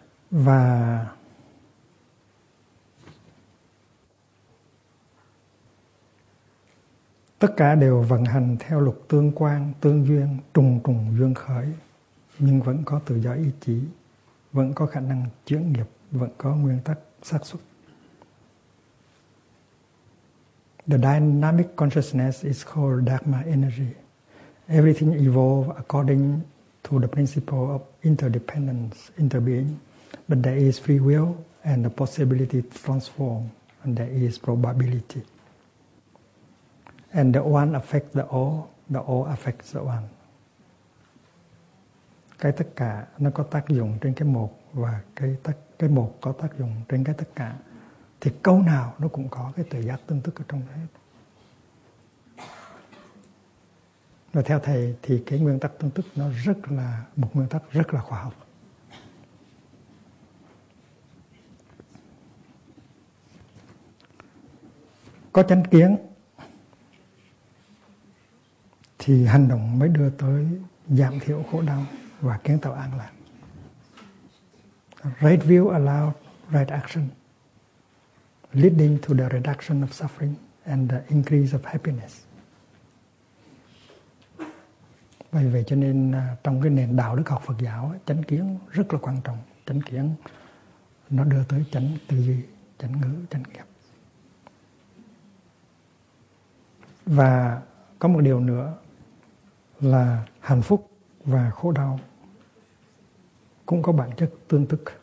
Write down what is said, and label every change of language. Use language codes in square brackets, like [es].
[vi] Và tất cả đều vận hành theo luật tương quan, tương duyên, trùng trùng duyên khởi, nhưng vẫn có tự do ý chí, vẫn có khả năng chuyển nghiệp, vẫn có nguyên tắc xác suất. [en] The dynamic consciousness is called Dharma energy. Everything evolves according to the principle of interdependence, interbeing. But there is free will and the possibility to transform, and there is probability. And the one affects the all affects the one. [vi] Cái tất cả nó có tác dụng trên cái một, và cái một có tác dụng trên cái tất cả. Thì câu nào nó cũng có cái tự giác tương thức ở trong đó hết. Và theo thầy thì cái nguyên tắc tương thức nó rất là một nguyên tắc rất là khoa học. Có chánh kiến thì hành động mới đưa tới giảm thiểu khổ đau và kiến tạo an lạc. [en] Right view allows right action, leading to the reduction of suffering and the increase of happiness. [vi] Vì vậy cho nên trong cái nền đạo đức học Phật giáo, chánh kiến rất là quan trọng. Chánh kiến nó đưa tới chánh tư duy, chánh ngữ, chánh nghiệp. Và có một điều nữa là hạnh phúc và khổ đau cũng có bản chất tương thức.